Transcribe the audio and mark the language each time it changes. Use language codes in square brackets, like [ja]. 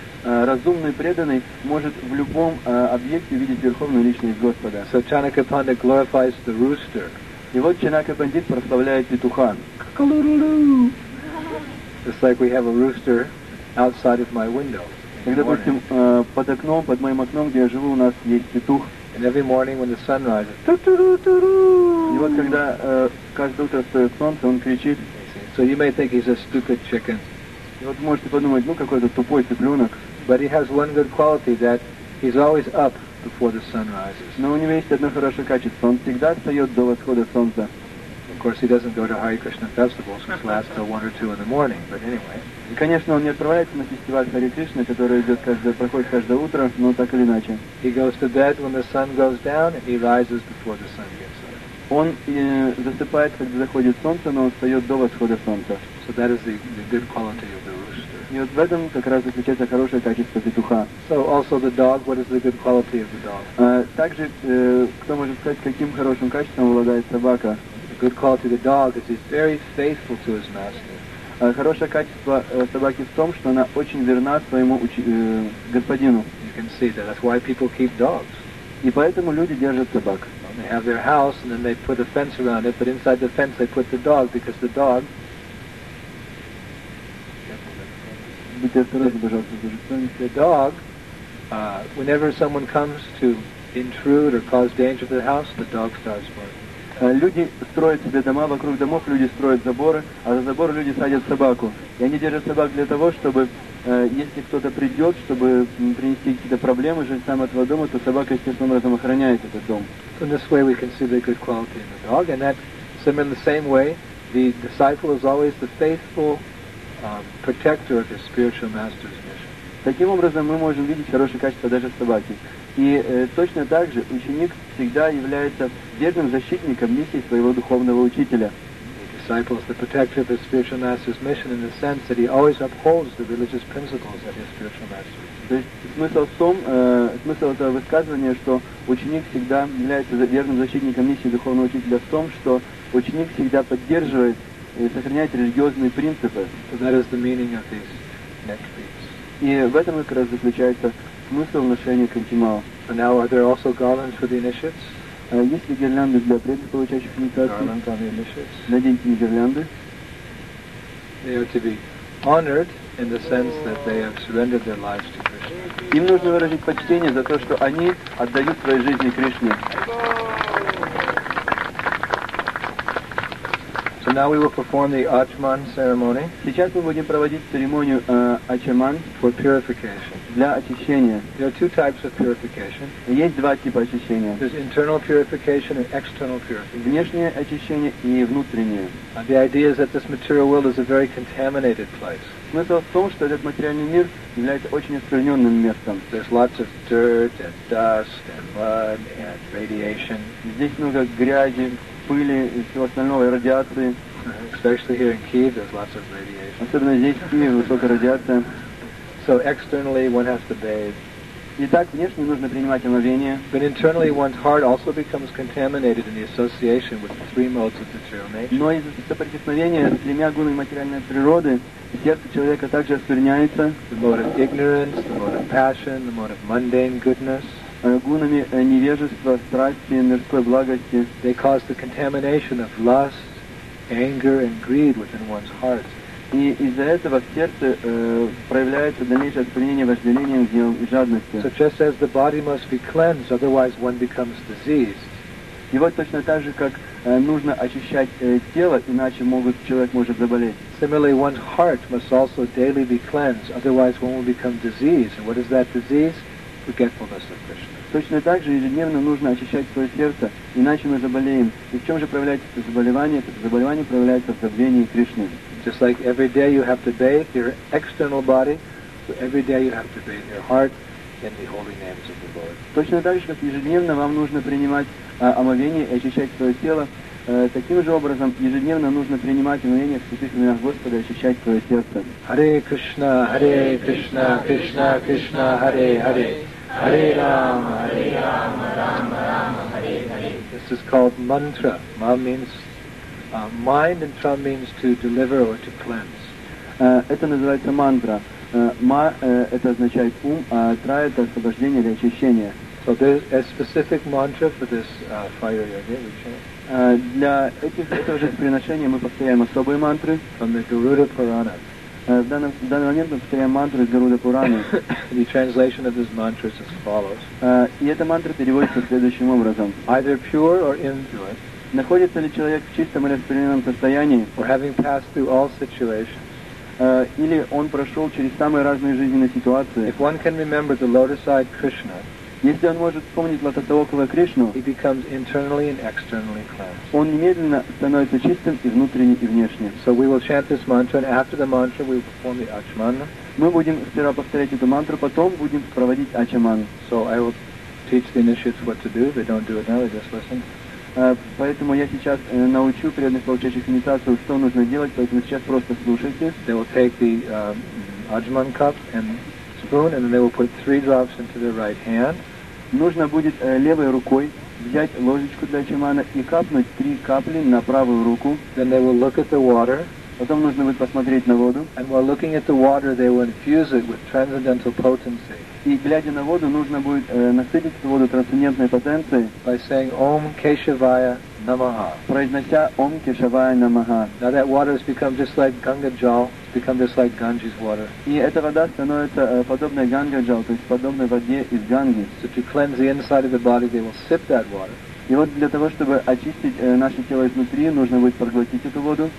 [ru] Разумный преданный может в любом объекте видеть верховную личность Господа. [en] So Chanakya Pandit glorifies the rooster. [ru] И вот Чанакья Пандит прославляет петуха. [en] It's like we have a rooster outside of my window. [ru] Когда, допустим, под окном, под моим окном, где я живу, у нас есть петух. [en] And every morning when the sun rises. [ru] И вот когда каждое утро встает солнце, он кричит. [en] So you may think he's a stupid chicken. [ru] И вот можете подумать, ну какой-то тупой цыпленок. [en] But he has one good quality that he's always up before the sun rises. [ru] Но у него есть одно хорошее качество. Он всегда встает до восхода солнца. [en] Of course he doesn't go to Hare Krishna festivals, which last till 1 or 2 in the morning, but anyway. [ru] И, конечно, он не отправляется на фестиваль Хари Кришны, который проходит каждое утро, но так или иначе. [en] He goes to bed when the sun goes down and he rises before the sun gets up. [ru] Он засыпает, когда заходит солнце, но встает до восхода солнца. [en] So that is the good quality of the rooster. [ru] И вот в этом как раз заключается хорошее качество петуха. [en] So also the dog, what is the good quality of the dog? [ru] Также, кто может сказать, каким хорошим качеством обладает собака? [en] The good quality of the dog is he's very faithful to his master. [ru] Хорошее качество собаки в том, что она очень верна своему господину. [en] You can see that. That's why people keep dogs. [ru] И поэтому люди держат собак. [en] They have their house and then they put a fence around it, but inside the fence they put the dog because the dog. The dog, whenever someone comes to intrude or cause danger to the house, the dog starts barking. [ru] Люди строят себе дома, вокруг домов люди строят заборы, а за забор люди садят собаку. И они держат собак для того, чтобы если кто-то придет, чтобы принести какие-то проблемы жильцам этого дома, то собака естественным образом охраняет этот дом. [en] So in this way we can see the good quality in the dog, and that, so in the same way, the disciple is always the faithful protector of his spiritual master's mission. [ru] Таким образом мы можем видеть хорошее качество даже собаки. И точно так же ученик всегда является верным защитником миссии своего духовного учителя. [en] The disciple is the protector of his spiritual master's mission in the sense that he always upholds the religious principles that his spiritual master. [ru] То есть смысл этого высказывания, что ученик всегда является верным защитником миссии духовного учителя в том, что ученик всегда поддерживает и сохраняет религиозные принципы. [en] So that is the meaning of these neck beads. [ru] И в этом как раз заключается смысл ношения кунти мала. [en] So now are there also garlands for the initiates? [ru] Есть ли гирлянды для преданных, получающих инициацию? [en] Garland on the initiates. [ru] Наденьте мне гирлянды. [en] They are to be honored in the sense that they have surrendered their lives to Krishna. [ru] Им нужно выразить почтение за то, что они отдают свои жизни Кришне. [en] So now we will perform the Achman ceremony. [ru] Сейчас мы будем проводить церемонию Achman [en] for purification. [ru] Для очищения. [en] There are two types of purification. [ru] Есть два типа очищения. [en] There's internal purification and external purification. [ru] Внешнее очищение и внутреннее. [en] The idea is that this material world is a very contaminated place. [ru] Смысл в том, что этот материальный мир является очень оскверненным местом. [en] There's lots of dirt and dust and mud and radiation. [ru] Здесь много грязи, пыли и всего остального, и радиации. [en] Especially here in Kyiv, there's lots of radiation. [ru] Особенно здесь, в Киеве, высокая радиация. [en] So externally one has to bathe. [ru] Итак, внешне нужно принимать омовение. [en] But internally one's heart also becomes contaminated in the association with the three modes of material nature. [ru] Но из-за соприкосновения с тремя гунами материальной природы сердце человека также оскверняется. [en] The mode of ignorance, the mode of passion, the mode of mundane goodness. [ru] Гунами невежества, страсти, мирской благости. [en] They cause the contamination of lust, anger and greed within one's heart. [ru] И из-за этого в сердце проявляется дальнейшее отклонение вожделением и жадностью. [en] So just as the body must be cleansed, otherwise one becomes diseased. [ru] И вот точно так же, как нужно очищать тело, иначе человек может заболеть. [en] Similarly, one's heart must also daily be cleansed, otherwise one will become diseased. And what is that disease? Forgetfulness of Krishna. [ru] Точно так же ежедневно нужно очищать свое сердце, иначе мы заболеем. И в чем же проявляется это заболевание? Это заболевание проявляется в забвении Кришны. [en] Just like every day you have to bathe your external body, so every day you have to bathe your heart in the holy names of the Lord. [ru] Точно так же, как ежедневно вам нужно принимать омовение и очищать свое тело, таким же образом ежедневно нужно принимать омовение в святых именах Господа и очищать свое сердце. [sa] Hare Krishna, Hare Krishna, Krishna Krishna, Hare Hare. Hare Rama, Hare Rama, Rama Rama, Hare Hare. [en] This is called mantra. Ma means mind, and tra means to deliver or to cleanse. [ru] Это называется мантра. Ма это означает ум, а тра это освобождение или очищение. [en] So there's a specific mantra for this fire yoga, which [ru] для этого же приношения мы повторяем особые мантры. [en] From the Garuda Purana. [ru] В данный момент мы повторяем мантру из Гаруда Пурана. [en] The translation of this mantra is as follows. [ru] И эта мантра переводится следующим образом. [en] Either pure or impure. [ru] Находится ли человек в чистом или распыленном состоянии? [en] Or having passed through all situations. [ru] Или он прошел через самые разные жизненные ситуации. [en] If one can remember the lotus-eyed Krishna. [ru] Если он может вспомнить лотосоокого Кришну, [en] he becomes internally and externally cleansed. [ru] Он немедленно становится чистым и внутренне, и внешне. [en] So we will chant this mantra, and after the mantra we will perform the achamana. [ru] Мы будем сперва повторять эту мантру, потом будем проводить ачаману. [en] So I will teach the initiates what to do. They don't do it now, they just listen. [ru] Поэтому я сейчас научу преданных получающих инициацию, что нужно делать, поэтому сейчас просто слушайте. [en] They will take the ачаман cup and spoon, and then they will put three drops into their right hand. [ru] Нужно будет левой рукой взять ложечку для чимана и капнуть три капли на правую руку. [en] Then they will look at the water. [ru] Потом нужно будет посмотреть на воду. [en] And while looking at the water, they will infuse it with transcendental potency. [ru] И глядя на воду, нужно будет насытить эту воду трансцендентной потенцией. [en] By saying [sa] Om Keshavaya Namaha. [ru] Произнося [sa] Om Keshavaya Namaha. [en] Now that water has become just like Ganga Jal. Become just like Ganges water. [ru] И эта вода становится подобной Ганга Джал, то есть подобной воде из Ганги. [en] So to cleanse the inside of the body, they will sip that water. [ru] И вот для того, чтобы очистить наше тело изнутри, нужно будет проглотить эту воду.